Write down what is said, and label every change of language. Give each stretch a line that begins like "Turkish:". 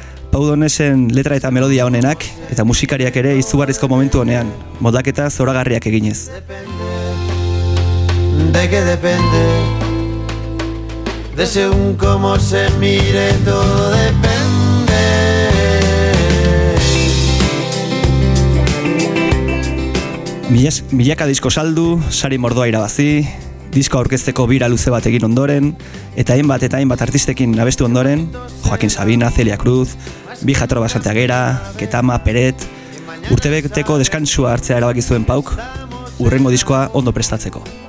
Basque: Pau Donesen letra eta melodia onenak, eta musikariak ere izugarrizko momentu honean, modaketa zoragarriak eginez.
Spanish: De que depende. De según cómo se mire todo depende.
Basque: Milaka disko saldu, sari mordoa irabazi, disko aurkezteko bira luze bat egin ondoren, eta hainbat artistekin abestu ondoren, Joaquin Sabina, Celia Cruz, Bija Troba Santiagera, Ketama, Peret, urtebeteko deskantsua hartzea erabaki zuen Pauk, urrengo diskoa ondo prestatzeko.